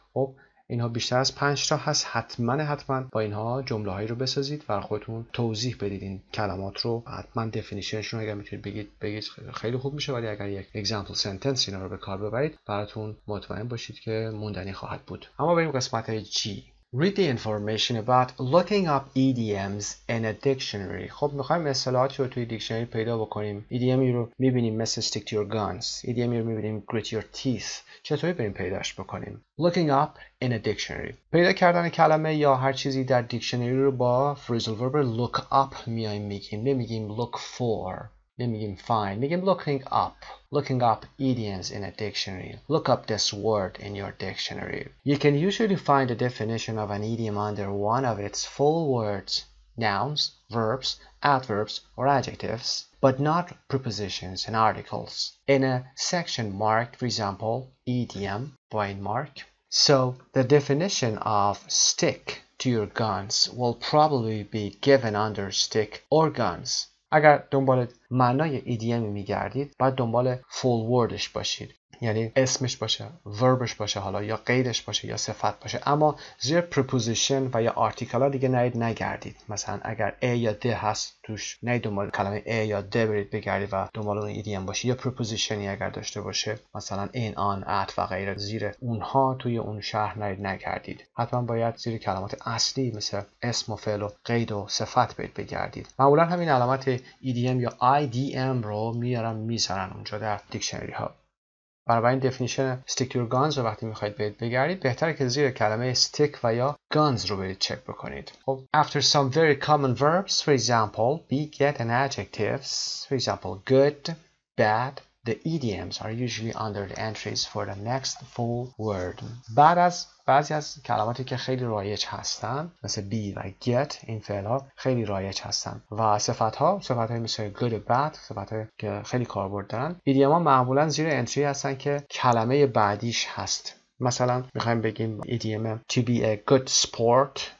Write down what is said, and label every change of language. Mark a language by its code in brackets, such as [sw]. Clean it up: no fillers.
[fa] خب اینها بیشتر از 5 تا هست. حتما حتما با اینها جمله هایی رو بسازید و خودتون توضیح بدید این کلمات رو. حتما دفینیشنشون رو اگر میتونید بگید خیلی خوب میشه، ولی اگر یک اگزمپل سنتنس اینا رو به کار ببرید براتون مطمئن باشید که موندنی خواهد بود. اما بریم قسمت G. [en] read the information about looking up idioms in a dictionary. [fa] خب میخوایم اصطلاحاتی رو توی دیکشنری پیدا بکنیم. ایدیومی رو میبینیم مثل [en] stick to your guns. [fa] ایدیومی رو میبینیم [en] grit your teeth. [fa] چطوری بریم پیداش بکنیم؟ [en] looking up in a dictionary. [fa] پیدا کردن کلمه یا هر چیزی در دیکشنری رو با phrasal verb look up میایم میگیم. نمیگیم look for. نمیگیم find. میگیم looking up. [en] looking up idioms in a dictionary. look up this word in your dictionary. you can usually find the definition of an idiom under one of its full words, nouns, verbs, adverbs, or adjectives, but not prepositions and articles, in a section marked, for example, idiom, point mark. so the definition of stick to your guns will probably be given under stick or guns. [fa] اگر دنبال معنای ایدیم میگردید باید دنبال فول وردش باشید، یعنی اسمش باشه، وربش باشه، حالا یا قیدش باشه یا صفت باشه، اما زیر پرپوزیشن و یا آرتیکل ها دیگه نهید نگردید. مثلا اگر ا یا د هست توش نهید دنبال کلمه ا یا د برید بگردید و دنبال اون ایدیم باشه، یا پرپوزیشنی اگر داشته باشه مثلا این آن ات و غیره زیر اونها توی اون شهر نهید نگردید. حتما باید زیر کلمات اصلی مثل اسم و فعل و قید و صفت برید بگردید. معمولا همین علامت ایدیم یا IDM رو میارن میذارن اونجا در دیکشنری ها. برای این دفنیشن [en] stick your guns [fa] رو وقتی میخواید بهت بگردید بهتره که زیر کلمه stick و یا guns رو برید چک بکنید. [en] خب after some very common verbs, for example, be, get and adjectives, for example, good, bad, The idioms are usually under the entries for the next full word. [fa] بعد از بعضی از کلماتی که خیلی رایج هستن مثل be و get این فعل ها خیلی رایج هستن و صفت های مثل good و bad صفت های که خیلی کاربرد دارن ایدیوم ها معمولا زیر انتری هستن که کلمه بعدیش هست مثلا میخواییم بگیم ایدیوم [en] to be a good sport